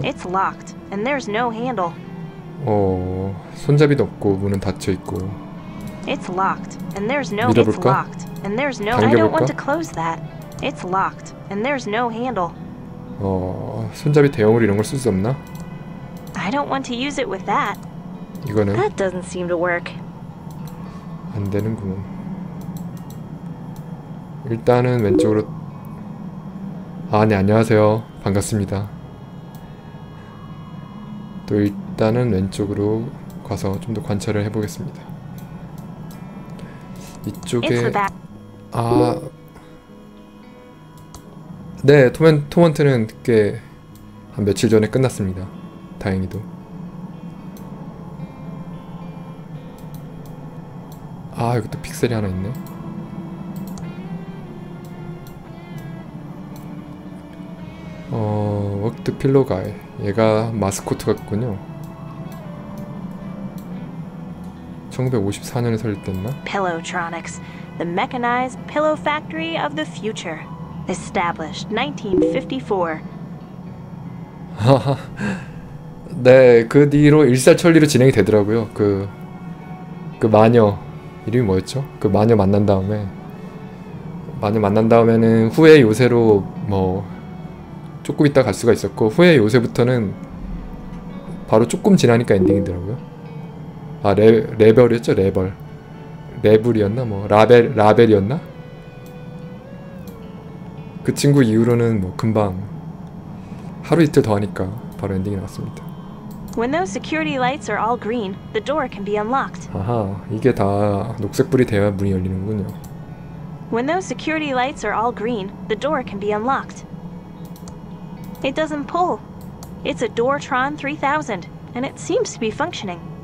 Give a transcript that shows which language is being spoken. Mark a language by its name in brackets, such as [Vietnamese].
[English] It's locked and there's no handle. [Korean] 손잡이도 없고 문은 닫혀 있고. [English] It's locked and there's no. [Korean] 밀어볼까? [English] It's locked and there's no. [Korean] 당겨볼까? [English] I don't want to close that. It's locked and there's no handle. [Korean] 손잡이 대용으로 이런 걸 쓸 수 없나? [English] I don't want to use it with that. [Korean] 이거는 [English] that doesn't seem to work. [Korean] 안 되는구먼. 일단은 왼쪽으로. 아, 네, 안녕하세요. 반갑습니다. 또 일단은 왼쪽으로 가서 좀 더 관찰을 해보겠습니다. 이쪽에. 아. 네, 토먼트는 꽤 한 며칠 전에 끝났습니다. 다행히도. 아, 여기 또 픽셀이 하나 있네. 워크드 필로 가이. 얘가 마스코트 같군요. 1954년에 설립됐나? [English] Pillowtronics, the mechanized pillow factory of the future, established 1954. [Korean] 네, 그 뒤로 일사천리로 진행이 되더라고요. 그 마녀 이름이 뭐였죠? 그 마녀 만난 다음에, 마녀 만난 다음에는 후에 요새로 뭐 조금 있다 갈 수가 있었고, 후에 요새부터는 바로 조금 지나니까 엔딩이더라고요. 아, 레벨이었죠? 레벨. 레벨이었나? 뭐 라벨이었나? 그 친구 이후로는 뭐 금방 하루 이틀 더 하니까 바로 엔딩이 나왔습니다. [English] When those security lights are all green, the door can be unlocked. [Korean] 아하, 이게 다 녹색불이 돼야 문이 열리는군요. [English] When those security lights are all green, the door can be unlocked. It doesn't pull. It's a Doortron 3000, and it seems to be functioning.